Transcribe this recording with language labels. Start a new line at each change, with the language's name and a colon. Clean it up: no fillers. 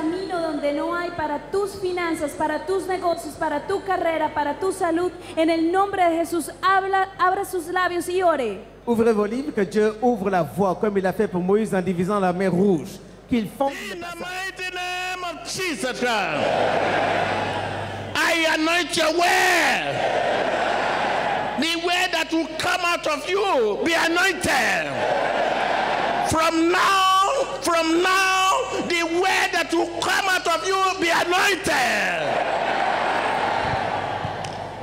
Spanish: Donde no hay para tus finanzas, para tus negocios, para tu carrera, para tu salud, en el nombre de Jesús, habla, abre sus labios y ore.
French: Ouvrez vos livres, que Dieu ouvre la voie, comme il a fait pour Moïse en divisant la mer rouge. Qu'il fonde.
English: In the mighty name of Jesus Christ, I anoint your way. The way that will come out of you, be anointed. From now, the way that will come out of you will be anointed.